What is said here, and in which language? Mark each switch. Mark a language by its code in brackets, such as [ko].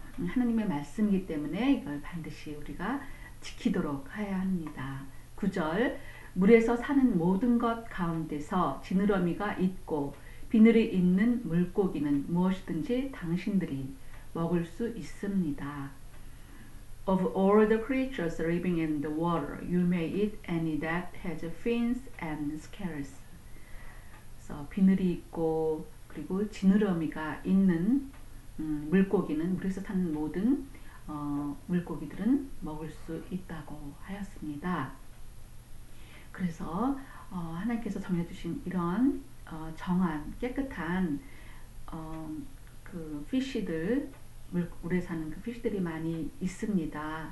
[ko] 하나님의 말씀이기 때문에 이걸 반드시 우리가 지키도록 해야 합니다. 9절, 물에서 사는 모든 것 가운데서 지느러미가 있고 비늘이 있는 물고기는 무엇이든지 당신들이 먹을 수 있습니다. [en] Of all the creatures living in the water, you may eat any that has fins and scales. [ko] 그래서 비늘이 있고 그리고 지느러미가 있는 물고기는, 물에서 사는 모든 물고기들은 먹을 수 있다고 하였습니다. 그래서 하나님께서 정해주신 이런 정한 깨끗한 그 피쉬들, 물에 사는 그 피쉬들이 많이 있습니다.